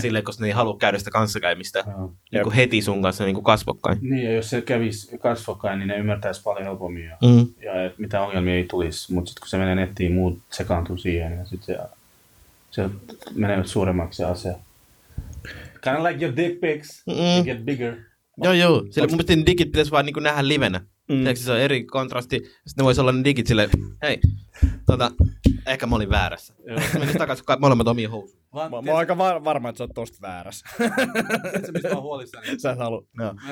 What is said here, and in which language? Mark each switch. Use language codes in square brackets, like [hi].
[fi] Silleen, koska ne ei halua käydä sitä kanssakäymistä niinku heti sun kanssa niinku kasvokkain. Niin, ja jos se kävisi kasvokkain, niin ne ymmärtäisi paljon helpommin, ja et mitä ongelmia ei tulisi, mutta sitten kun se menee nettiin, muut sekaantuu siihen, ja sitten se menee suuremmaksi se asia. [en] Kind of like your dick pics, get bigger. [fi] Joo, sille mun mielestä digit pitäisi vaan niinku nähdä livenä. Se on eri kontrasti, sitten ne voisi olla ne digit sille, hei, ehkä mä olin väärässä. Mennään takaisin molemmat omiin housuun. Mä oon aika varma, että sä oot tosta väärässä. Se, mistä mä oon huolissani. Sä et halu. No.